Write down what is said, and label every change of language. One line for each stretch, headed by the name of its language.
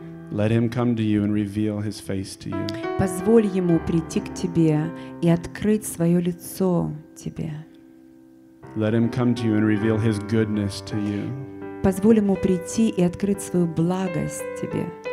English: Let him come to you and reveal his face to you.
Russian: Позволь ему прийти к тебе и открыть свое лицо тебе.
English: Let him come to you and reveal his goodness to you.
Russian: Позволь ему прийти и открыть свою благость тебе.